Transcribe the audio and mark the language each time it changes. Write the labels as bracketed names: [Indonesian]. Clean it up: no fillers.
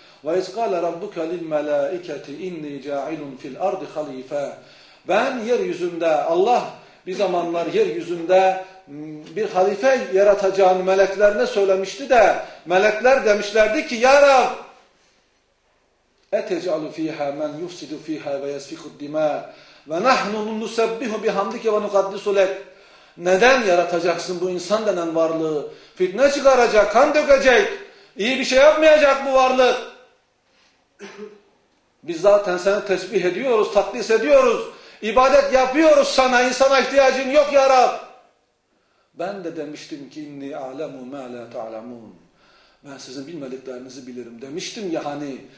[Arabic] وَاِذْ قَالَ رَبُّكَ لِلْمَلَائِكَةِ اِنِّي جَاعِلٌ فِي الْاَرْضِ خَلِيفَةً [Turkish] Ben yeryüzünde, Allah bir zamanlar yeryüzünde bir halife yaratacağını meleklerine söylemişti de, melekler demişlerdi ki, Ya Rab! [Arabic] اَتَجْعَلُ ف۪يهَا مَنْ يُفْسِدُ ف۪يهَا وَيَسْفِقُ الدِّمَاءِ وَنَحْنُ نُسَبِّهُ بِحَمْدِكَ وَنُقَدِّسُ لَكَ [Turkish] Neden yaratacaksın bu insan denen varlığı? Fitne çıkaracak, kan dökecek. İyi bir şey yapmayacak bu varlık. Biz zaten seni tesbih ediyoruz, takdis ediyoruz. İbadet yapıyoruz sana, insana ihtiyacın yok ya Rab. Ben de demiştim ki, [Arabic] اِنِّي عَلَمُ مَا لَا تَعْلَمُونَ [Turkish] Ben sizin bilmediklerinizi bilirim demiştim ya hani.